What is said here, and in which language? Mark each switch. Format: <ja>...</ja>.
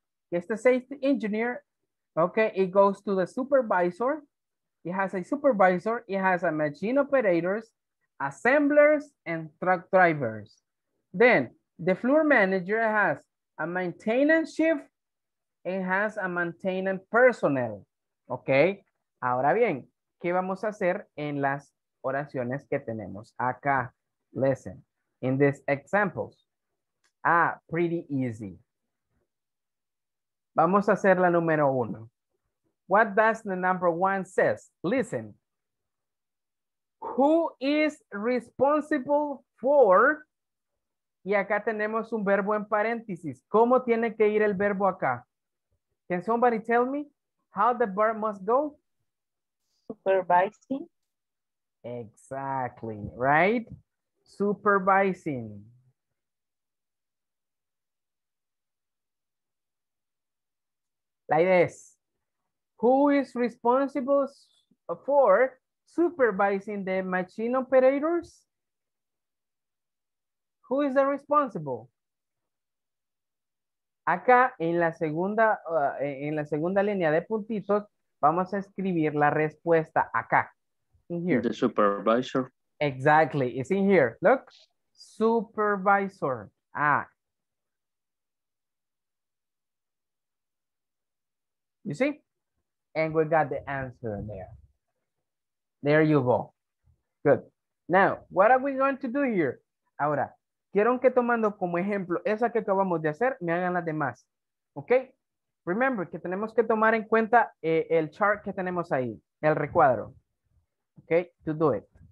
<en>It's the safety engineer, ok, it goes to the supervisor. It has a supervisor, it has a machine operators, assemblers, and truck drivers. Then, the floor manager has a maintenance chief, and has a maintenance personnel.</en> <es>Ok, ahora bien, ¿qué vamos a hacer en las oraciones que tenemos acá?</es> <en>Listen, in these examples. Ah, pretty easy.</en> <es>Vamos a hacer la número uno.</es> <en>What does the number one says? Listen. Who is responsible</en> <es>for, y acá tenemos un verbo en paréntesis. ¿Cómo tiene que ir el verbo acá?</es> <en>Can somebody tell me how the verb must go? Supervising. Exactly, right? Supervising. Like this. Who is responsible for supervising the machine operators? Who is the responsible?</en> <es>Acá en la segunda línea de puntitos vamos a escribir la respuesta acá.</es> <en>In here. The supervisor. Exactly. It's in here. Look. Supervisor. Ah. You see? And we got the answer there. There you go. Good. Now, what are we going to do here?</en> <es>Ahora, quiero que tomando como ejemplo esa que acabamos de hacer, me hagan las demás. Ok.</es> <en>Remember</en> <es>que tenemos que tomar en cuenta el chart que tenemos ahí, el recuadro.</es> <en>Ok. To do it.</en>